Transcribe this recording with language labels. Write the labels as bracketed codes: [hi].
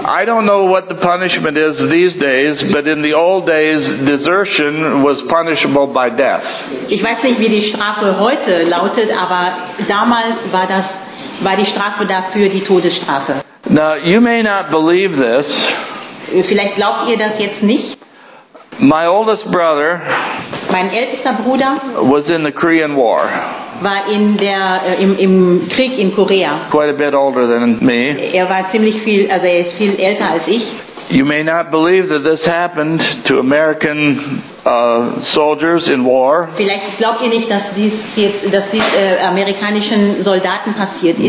[en] I don't know what the punishment is these days, but in the old days, desertion was punishable by death. [de] Ich weiß nicht, wie die Strafe heute lautet, aber damals war das war die Strafe dafür die Todesstrafe. [en] Now you may not believe this. [de] Vielleicht glaubt ihr das jetzt nicht. [en] My oldest brother, [de] mein ältester Bruder, [en] was in the Korean War. [de] War in der im Krieg in Korea. [en] Quite a bit older than me. [de] Er war ziemlich viel, also er ist viel älter als ich. [en] You may not believe that this happened to American soldiers in war. [de] Vielleicht glaubt ihr nicht, dass dies amerikanischen Soldaten passiert ist.